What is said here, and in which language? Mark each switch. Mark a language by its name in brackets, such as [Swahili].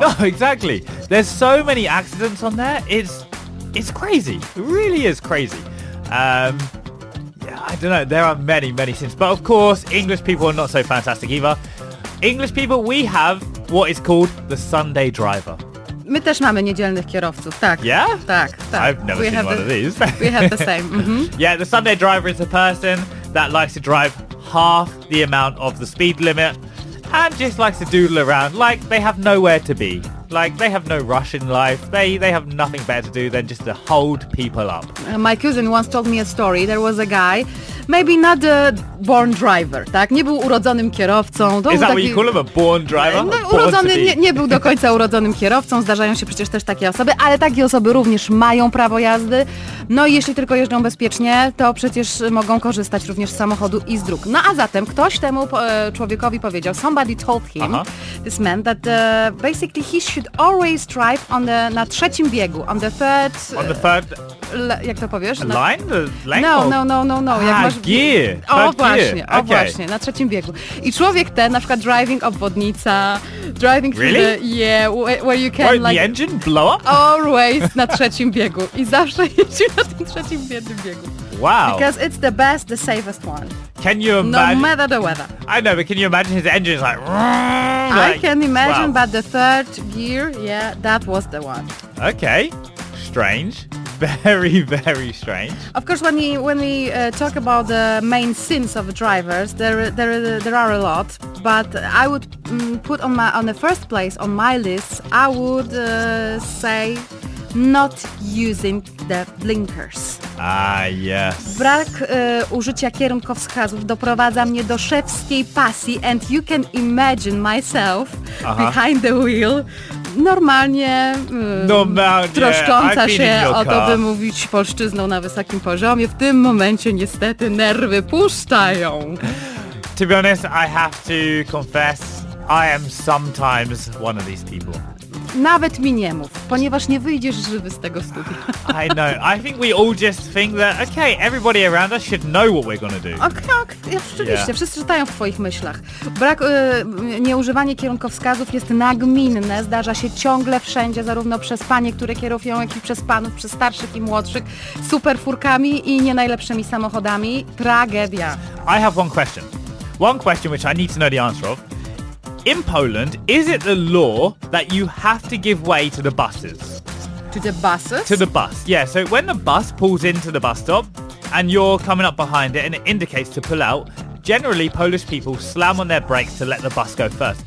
[English] No, exactly. There's so many accidents on there, it's crazy. It really is crazy. I don't know, there are many, many sins. But of course, English people are not so fantastic either. English people, we have what is called the Sunday driver. [Polish] My też mamy niedzielnych kierowców, tak. [English] Yeah? [Polish] Tak. [English] I've never seen one of these. We have the same. Mm-hmm. Yeah, the Sunday driver is a person that likes to drive half the amount of the speed limit and just likes to doodle around like they have nowhere to be. Like, they have no rush in life. They have nothing better to do than just to hold people up. My cousin once told me a story. There was a guy, maybe not a born driver, [Polish] tak? Nie był urodzonym kierowcą. [English] To is that [Polish] taki... [English] what you call him, a born driver? [Polish] No, urodzony, nie był do końca urodzonym kierowcą. Zdarzają się przecież też takie osoby, ale takie osoby również mają prawo jazdy. No i jeśli tylko jeżdżą bezpiecznie, to przecież mogą korzystać również z samochodu i z dróg. No a zatem ktoś temu człowiekowi powiedział, [English] somebody told him, aha, this man, that basically he should always drive on the, [Polish] na trzecim biegu, [English] on the third... On the third... [Polish] Jak to powiesz? [English] No. Line? The length? No. [Polish] Ah, jak masz... [English] gear. O, third [Polish] właśnie, [English] gear. O, okay. [Polish] Właśnie, na trzecim biegu. I człowiek ten, na przykład [English] driving [Polish] obwodnica, driving [English] really? Through the... Yeah, where you can... Won't like, the engine blow up? [Polish] Always na trzecim biegu. I zawsze jeździ na tym trzecim biegu. [English] Wow. Because it's the best, the safest one. Can you imagine? No matter the weather. I know, but can you imagine his engine is like... I can imagine, wow. But the third gear, yeah, that was the one. Okay, strange. Very, very strange. Of course, when we talk about the main sins of drivers, there are a lot. But I would put on the first place on my list, I would say not using the blinkers. Ah, yes. [Polish] Brak użycia kierunkowskazów doprowadza mnie do szewskiej pasji [English] and you can imagine myself behind the wheel. [Polish] Normalnie, troszcząca się o to, by mówić polszczyzną na wysokim poziomie. W tym momencie niestety nerwy puszczają. [English] To be honest, I have to confess, I am sometimes one of these people. [Polish] Nawet mi nie mów, ponieważ nie wyjdziesz żywy z tego studia. [English] I know. I think we all just think that, okay, everybody around us should know what we're gonna do. [Polish] Okay, oczywiście. Yeah. Wszyscy czytają w twoich myślach. Brak, nieużywanie kierunkowskazów jest nagminne. Zdarza się ciągle wszędzie, zarówno przez panie, które kierują, jak i przez panów, przez starszych i młodszych, superfurkami i nie najlepszymi samochodami. Tragedia. [English] I have one question. One question which I need to know the answer of. In Poland, is it the law that you have to give way to the buses? To the buses? To the bus. Yeah, so when the bus pulls into the bus stop and you're coming up behind it and it indicates to pull out, generally Polish people slam on their brakes to let the bus go first.